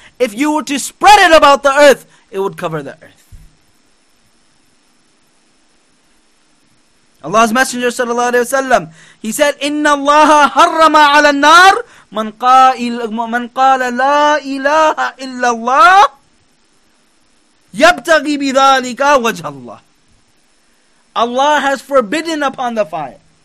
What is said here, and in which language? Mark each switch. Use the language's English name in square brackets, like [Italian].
[English] If you were to spread it about the earth, it would cover the earth. Allah's Messenger sallallahu alayhi wa sallam, he said, [Arabic] إِنَّ اللَّهَ حَرَّمَ عَلَى النَّارِ مَنْ قَالَ لَا إِلَهَ إِلَّا اللَّهِ يَبْتَغِي بِذَٰلِكَ وَجْهَ اللَّهِ. [English] Allah has forbidden upon the fire.